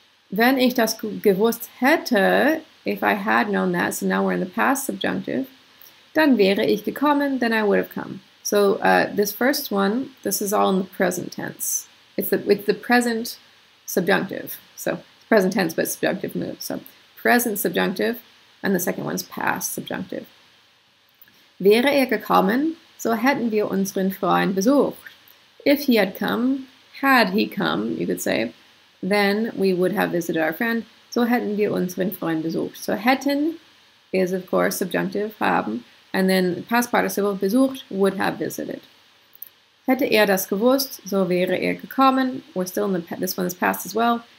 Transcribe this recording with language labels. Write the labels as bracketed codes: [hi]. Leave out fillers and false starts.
[en] Wenn ich das gewusst hätte, if I had known that, so now we're in the past subjunctive, dann wäre ich gekommen, then I would have come. This first one, this is all in the present tense. It's the present subjunctive. So it's present tense, but subjunctive mood. So present subjunctive, and the second one's past subjunctive. [de] Wäre gekommen, so hätten wir unseren Freund besucht. [en] If he had come, you could say, then we would have visited our friend, so hätten wir unseren Freund besucht. So hätten is, of course, subjunctive, haben, and then the past participle, besucht, would have visited. Hätte das gewusst, so wäre gekommen. We're still in this one's past as well.